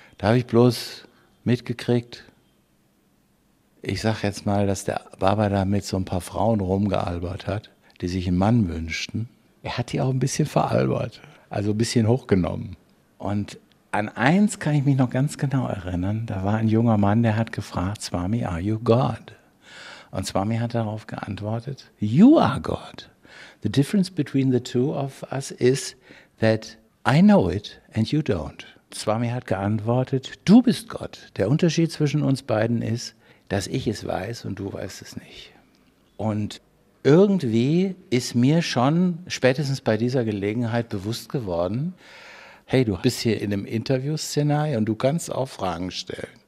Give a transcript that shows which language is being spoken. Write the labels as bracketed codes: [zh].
[de] Da habe ich bloß mitgekriegt, ich sage jetzt mal, dass der Baba da mit so ein paar Frauen rumgealbert hat, die sich einen Mann wünschten. Er hat die auch ein bisschen veralbert, also ein bisschen hochgenommen. Und an eins kann ich mich noch ganz genau erinnern, da war ein junger Mann, der hat gefragt, Swami, [en] are you God? [de] Und Swami hat darauf geantwortet, [en] you are God. The difference between the two of us is that I know it and you don't. [de] Swami hat geantwortet, du bist Gott. Der Unterschied zwischen uns beiden ist, dass ich es weiß und du weißt es nicht. Und irgendwie ist mir schon spätestens bei dieser Gelegenheit bewusst geworden, hey, du bist hier in einem Interview-Szenario und du kannst auch Fragen stellen.